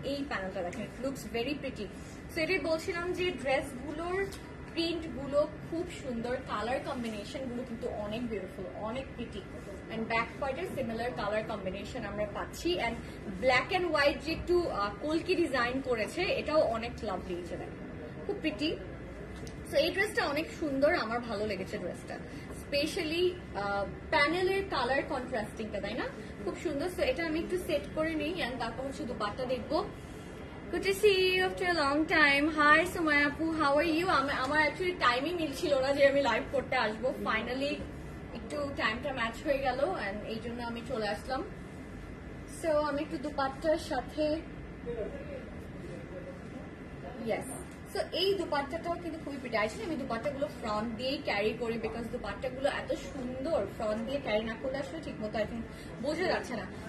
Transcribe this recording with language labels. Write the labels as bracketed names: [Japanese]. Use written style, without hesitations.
[Bangla] এই প্যানেলটা দেখেন, [English] Looks very pretty. [Bangla] সো এটাই বলছিলাম যে ড্রেস গুলোর প্রিন্ট গুলো খুব সুন্দর, কালার কম্বিনেশন গুলো কিন্তু অনেক বিউটিফুল, অনেক প্রিটি এন্ড ব্যাক পার্টে সিমিলার কালার কম্বিনেশন আমরা পাচ্ছি এন্ড ব্ল্যাক এন্ড হোয়াইট যে একটু কলকি ডিজাইন করেছে এটাও অনেক লাভলি হয়েছে, দেখেন খুব প্রিটি। সো এই ড্রেসটা অনেক সুন্দর, আমার ভালো লেগেছে ড্রেসটা, স্পেশালি প্যানেলের কালার কন্ট্রাস্টিংটা, তাই না? খুব সুন্দর। সো এটা আমি একটু সেট করে নিই এন্ড তারপর হচ্ছে দুপাট্টা দেখবো। [English] Good to see you after a long time. Hi, Sumaya Poo. How are you? [Bangla] আমার actually timing মিলছিল না যে আমি live করতে আসবো, finally একটু time টা match হয়ে গেল and এই জন্য আমি চলে আসলাম। So আমি একটু দুপাট্টার সাথে, yes, so এই দুপাট্টাটাও কিন্তু খুবই pretty, actually আমি দুপাট্টা গুলো front দিয়েই carry করি because দুপাট্টা গুলো এত সুন্দর, front দিয়ে carry না করলে আসলে ঠিক মতো আর বোঝা যাচ্ছে না।